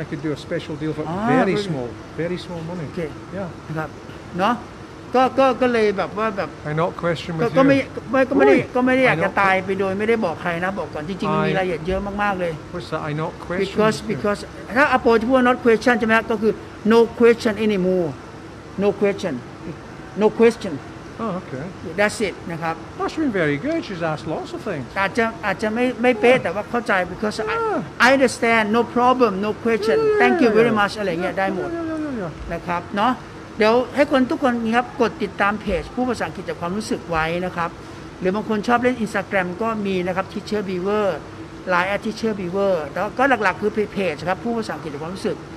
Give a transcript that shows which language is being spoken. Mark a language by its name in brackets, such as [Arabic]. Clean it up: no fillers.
[English] I could do a special deal for very small money okay yeah [Thai] นะครับเนาะก็เลยแบบว่าแบบ [English] I not question with you [Thai] ก็ไม่ได้อยากจะตายไปโดยไม่ได้บอกใครนะบอกก่อนจริงๆมันมีรายละเอียดเยอะมากๆเลย [English] What's that? I not question because [Thai] ถ้า [English] approach [Thai] พูด [English] not question [Thai] ใช่ไหมก็คือ [English] no question anymore no question oh okay that's it [Thai] นะครับ [English] that's been very good she's asked lots of things [Thai] อาจจะไม่เป๊ะแต่ว่าเข้าใจ [English] because I understand no problem no question thank you very much [Thai] อะไรเงี้ยได้หมดนะครับเนาะเดี๋ยวให้คนทุกคนนี่ครับกดติดตามเพจผู้ภาษาอังกฤษจากความรู้สึกไว้นะครับหรือบางคนชอบเล่น Instagram ก็มีนะครับ Teacher Beaver Line @Teacher Beaver แล้วก็หลักๆคือเพจครับผู้ภาษาอังกฤษจากความรู้สึก